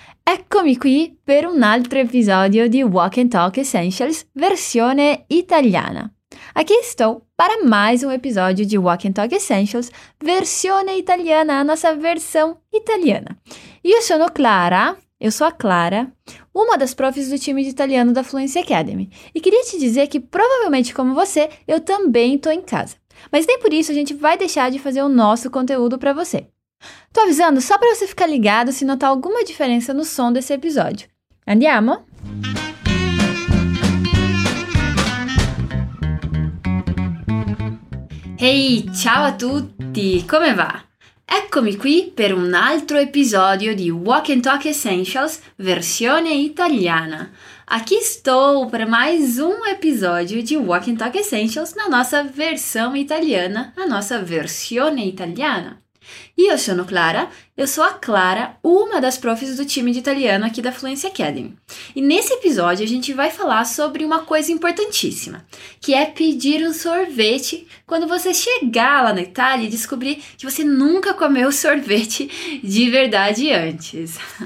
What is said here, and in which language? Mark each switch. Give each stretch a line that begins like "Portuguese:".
Italian: Eccomi qui per un altro episodio di Walk and Talk Essentials versione italiana.
Portuguese: Aquí estou para mais um episódio de Walk and Talk Essentials
Italian: versione italiana,
Portuguese: a nossa versão italiana.
Italian: Io sono Clara,
Portuguese: eu sou a Clara, uma das profs do time de italiano da Fluency Academy, e queria te dizer que provavelmente como você, eu também estou em casa. Mas nem por isso a gente vai deixar de fazer o nosso conteúdo para você. Tô avisando só para você ficar ligado se notar alguma diferença no som desse episódio.
Italian: Andiamo? Ehi, hey, ciao a tutti! Come va? Eccomi qui per un altro episodio di Walk and Talk Essentials versione italiana.
Portuguese: Aqui estou para mais um episódio de Walk and Talk Essentials na nossa versão italiana, a nossa
Italian: versione italiana. Io sono Clara,
Portuguese: eu sou a Clara, uma das profs do time de italiano aqui da Fluency Academy. E nesse episódio a gente vai falar sobre uma coisa importantíssima, que é pedir um sorvete quando você chegar lá na Itália e descobrir que você nunca comeu sorvete de verdade antes.